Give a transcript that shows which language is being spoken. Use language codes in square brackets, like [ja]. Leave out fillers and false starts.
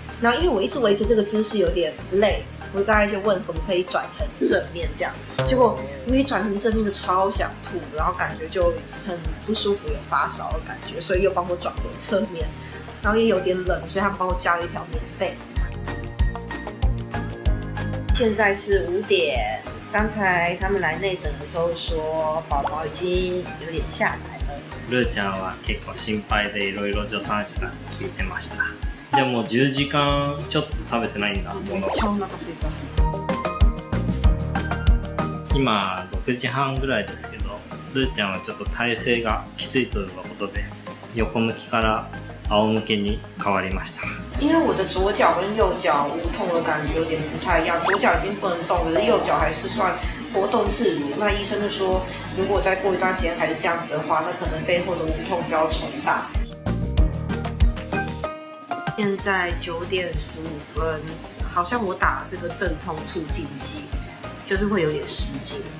[zh] 然后因为我一直维持这个姿势有点累，我刚才就问可不可以转成正面这样子，结果因为转成正面就超想吐，然后感觉就很不舒服，有发烧的感觉，所以又帮我转回侧面，然后也有点冷，所以他们帮我加了一条棉被。现在是5点，刚才他们来内诊的时候说宝宝已经有点下来了。 [ja] ルーちゃんは結構心配でいろいろ助産師さんに聞いてました。じゃあもう10時間ちょっと食べてないんだ。めっちゃお腹すいた。今6時半ぐらいですけど、ルーちゃんはちょっと体勢がきついということで横向きから仰向けに変わりました。 [zh] 因为我的左脚跟右脚无痛的感觉有点不太一样，左脚已经不能动，可是右脚还是算活动自如。那医生就说如果再过一段时间还是这样子的话，那可能背后的无痛比较重大。现在9:15，好像我打了这个镇痛促进剂，就是会有点失禁。